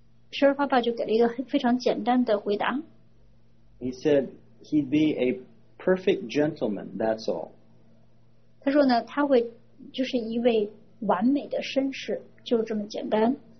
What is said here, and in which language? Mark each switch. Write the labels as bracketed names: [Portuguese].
[Chinese] 舍尔爸爸就给了一个非常简单的回答。 [English] He said he'd be a perfect gentleman, that's all. [Chinese] 他说呢,他会就是一位完美的绅士,就这么简单。